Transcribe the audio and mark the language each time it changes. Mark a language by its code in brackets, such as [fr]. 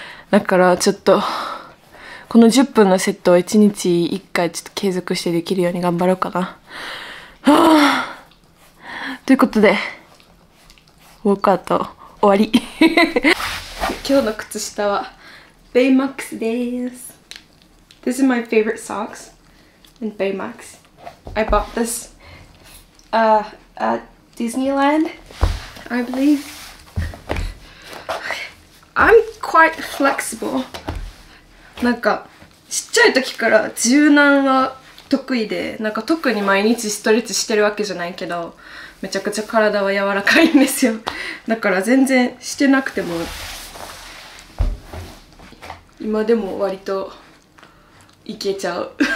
[ja] だからちょっとこの10分のセットを1日1回ちょっと継続してできるように頑張ろうかな。ということでウォークアウト終わり今日の靴下はベイマックスです。 [en] This is my favorite socks in Baymax. I bought this at Disneyland, I believe. I'm quite flexible. [ja] なんかちっちゃい時から柔軟は得意で、なんか特に毎日ストレッチしてるわけじゃないけど、めちゃくちゃ体は柔らかいんですよ。だから全然してなくても今でも割といけちゃう。